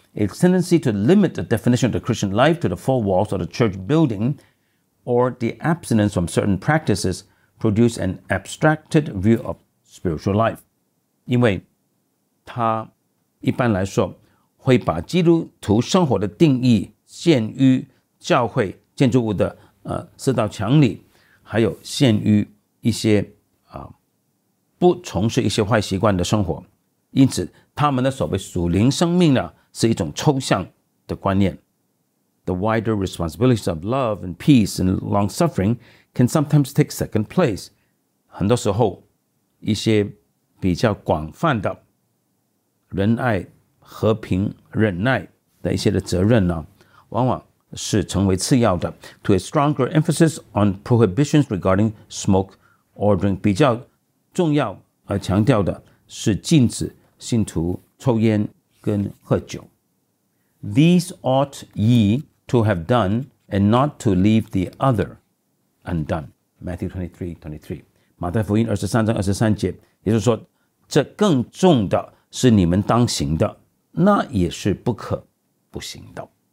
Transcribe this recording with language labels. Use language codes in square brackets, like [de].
[en] A tendency to limit the definition of the Christian life to the four walls of the church building or the abstinence from certain practices produce an abstracted view ofspiritual life, [zh] 因为他一般来说会把基督徒生活的定义限于教会建筑物的四道墙里，还有限于一些不从事一些坏习惯的生活。因此，他们的所谓属灵生命呢，是一种抽象的观念。 [en] The wider responsibilities of love and peace and long suffering can sometimes take second place. [zh] 很多时候。一些比较广泛的仁爱、和平、忍耐的一些的责任呢，往往是成为次要的。 [en] To a stronger emphasis on prohibitions regarding smoke or drink， [zh] 比较重要而强调的是禁止信徒抽烟跟喝酒。 [en] These ought ye to have done, and not to leave the other undone. Matthew 23:23. [zh] 马太福音二十三章二十三节，也就是说，这更重的是你们当行的，那也是不可不行的。